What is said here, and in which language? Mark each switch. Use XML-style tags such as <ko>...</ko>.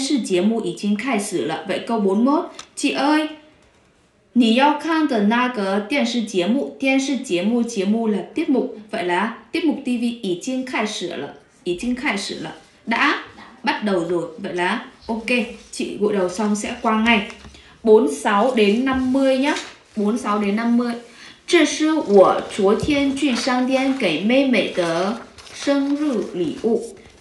<zh>你要看的那个电视节目已经开始了.</zh> <vi>Vậy câu 41. Chị ơi,</vi> <zh>你要看的那个电视节目.</zh> <vi>电视节目, 节目 là tiết mục. Vậy là tiết mục TV</vi> <zh>已经开始了. 已经开始了.</zh> <vi>Đã bắt đầu rồi. Vậy là ok. Chị gội đầu xong sẽ qua ngay. 46 đến 50 nhé. 46 đến 50.</vi> <zh>这是我昨天去商店给妹妹的生日礼物.</zh>